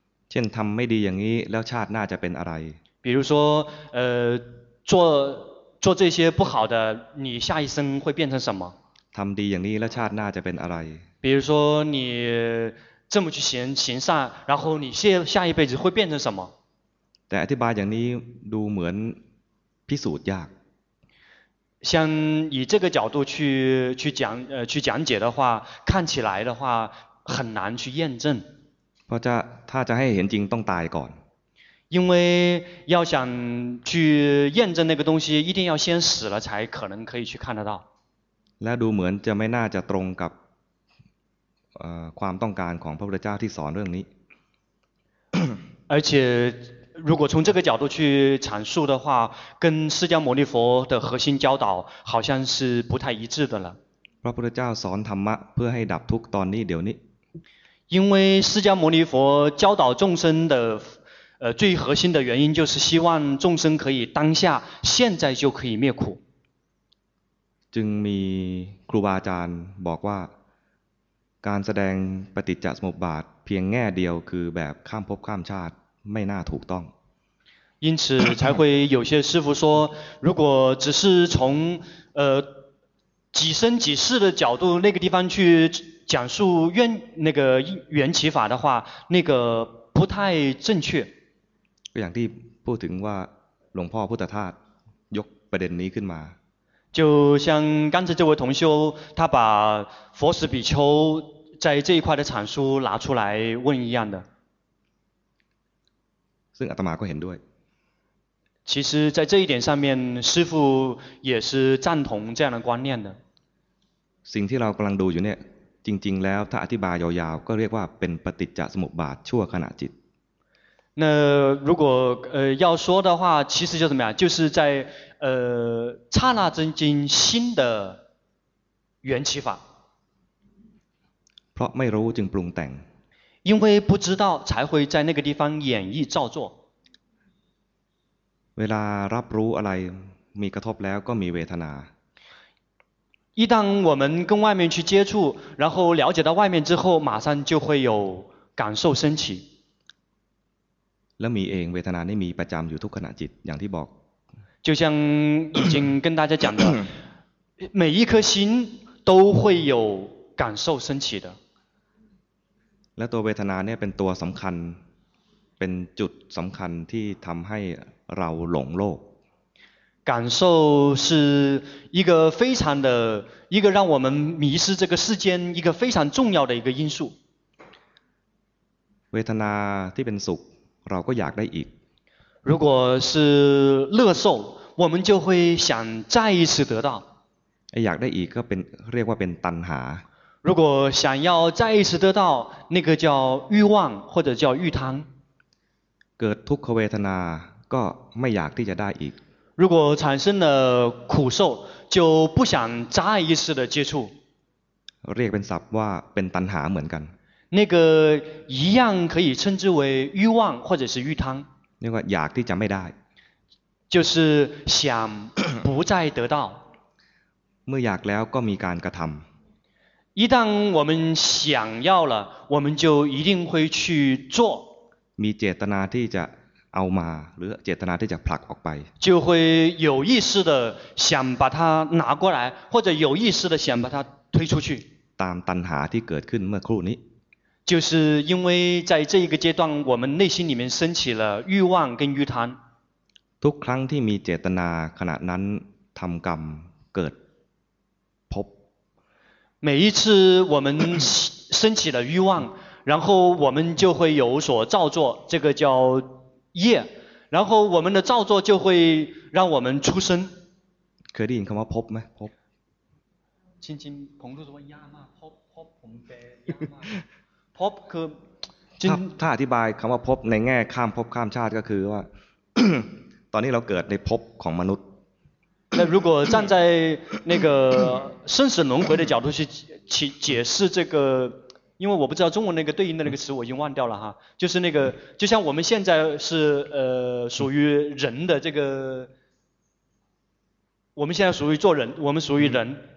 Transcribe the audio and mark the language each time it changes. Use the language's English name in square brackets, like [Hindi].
[Thai] เช่นทำไม่ดีอย่างนี้แล้วชาติหน้าจะเป็นอะไร？ [Chinese] 比如说做这些不好的，你下一生会变成什么？ [Thai] ทำดีอย่างนี้แล้วชาติหน้าจะเป็นอะไร？ [Chinese] 比如说你这么去行善，然后你下一辈子会变成什么？ [Thai] แต่อธิบายอย่างนี้ดูเหมือนพิสูจน์ยาก。 [Chinese] 像以这个角度去讲解的话，看起来的话很难去验证。 [Thai] เพราะจะถ้าจะให้เห็นจริงต้องตายก่อน。 [Chinese] 因为要想去验证那个东西，一定要先死了才可能可以去看得到。 [Thai] และดูเหมือนจะไม่น่าจะตรงกับความต้องการของพระพุทธเจ้าที่สอนเรื่องนี้ [Chinese] 而且如果从这个角度去阐述的话跟释迦牟尼佛的核心教导好像是不太一致的了 [Thai] พระพุทธเจ้าสอนธรรมะเพื่อให้ดับทุกข์ตอนนี้เดี๋ยวนี้ [Chinese] 因为释迦牟尼佛教导众生的最核心的原因就是希望众生可以当下现在就可以灭苦 [Thai] จึงมีครูบาอาจารย์บอกว่าการแสดงปฏิจจสมุปบาทเพียงแง่เดียวคือแบบข้ามภพข้ามชาติไม่น่าถูกต้อง [Chinese] 因此才会有些师父说如果只是从几生几世的角度那个地方去讲述缘那个缘起法的话那个不太正确 [Thai] ก็อย่างที่พูดถึงว่าหลวงพ่อพุทธทาสยกประเด็นนี้ขึ้นมา [Chinese] 就像刚才这位同修他把佛死比丘在这一块的阐述拿出来问一样的 [Thai] ซึ่งอาตมาก็เห็นด้วย [Chinese] 其实在这一点上面师父也是赞同这样的观念的 [Thai] สิ่งที่เรากำลังดูอยู่เนี่ยจริงๆแล้วถ้าอธิบายยาวๆก็เรียกว่าเป็นปฏิจจสมุปบาทชั่วขณะจิต [Chinese] 那如果要说的话其实就怎么样就是在刹那真经新的缘起法 [Thai] เพราะไม่รู้จึงปรุงแต่ง [Chinese] 因为不知道才会在那个地方演绎造作 [Thai] เวลารับรู้อะไรมีกระทบแล้วก็มีเวทนา [Chinese] 一旦我们跟外面去接触然后了解到外面之后马上就会有感受升起 [Thai] แล้วมีเองเวทนานี่มีประจำอยู่ทุกขณะจิตอย่างที่บอก [Chinese] 就像已经跟大家讲的每一颗心都会有感受升起的 [Thai] และตัวเวทนาเนี่ยเป็นตัวสำคัญเป็นจุดสำคัญที่ทำให้เราหลงโลก [Chinese] 感受是一个非常的一个让我们迷失这个世间一个非常重要的一个因素 [Thai] เวทนาที่เป็นสุขเราก็อยากได้อีก [Chinese] 如果是乐受我们就会想再一次得到 [Thai] อยากได้อีกก็เป็นเรียกว่าเป็นตัณหา [Chinese] 如果想要再一次得到那个叫欲望或者叫欲贪 [Thai] เกิดทุกขเวทนาก็ไม่อยากที่จะได้อีก [Chinese] 如果产生了苦受就不想再一次的接触 [Thai] เรียกเป็นศัพท์ว่าเป็นตัณหาเหมือนกัน [Chinese] 那个一样可以称之为欲望或者是欲贪 [Thai] เรียกว่าอยากที่จะไม่ได้ [Chinese] 就是想不再得到 [Thai] เมื่ออยากแล้วก็มีการกระทำ [Chinese] 一旦我们想要了我们就一定会去做 [Thai] มีเจตนาที่จะเอามาหรือเจตนาที่จะผลักออกไป [Chinese] 就会有意识的想把它拿过来或者有意识的想把它推出去 [Thai] ตามตัณหาที่เกิดขึ้นเมื่อครู่นี้ [Chinese] 就是因为在这一个阶段我们内心里面升起了欲望跟欲贪 [Thai] ทุกครั้งที่มีเจตนาขณะนั้นทำกรรมเกิดพบ [Chinese] 每一次我们升起了欲望然后我们就会有所造作这个叫业然后我们的造作就会让我们出生 [Thai] เคยได้ยินคำว่าพบไหมพบ 亲亲彭叔说ยามาพบพบผมแกยามา พบคือ ถ้าอธิบายคำว่าพบในแง่ข้ามพบข้ามชาติก็คือว่า ตอนนี้เราเกิดในพบของมนุษย์ [Chinese] 那如果站在那个生死轮回的角度去解释这个因为我不知道中文那个对应的那个词我已经忘掉了哈，就是那个就像我们现在是属于人的这个，我们现在属于做人，我们属于人。